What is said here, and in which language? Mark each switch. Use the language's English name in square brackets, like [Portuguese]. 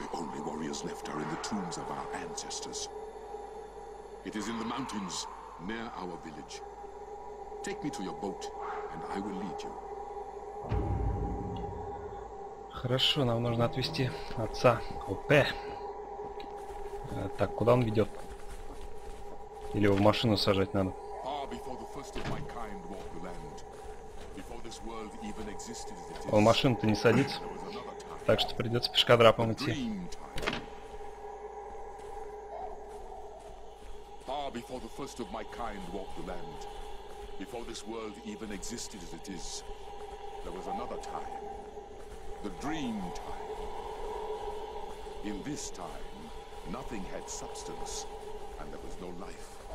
[English] The only warriors left are in the tombs of our ancestors. It is in the mountains near our village. Take me to your boat, and I will lead you. [Russian] Хорошо, нам нужно отвезти отца Опе. Так, куда он ведет? Или его в машину сажать надо? [English] Far before the first of my kind walked the land. Before this world even existed, it is... [Russian] Он в машину-то не садится. Так что придется пешкодрапом идти. [English] Far before the first of my kind walked the land, before this world even existed as it is, there was another time, the dream time. In this time, nothing had substance, and there was no life.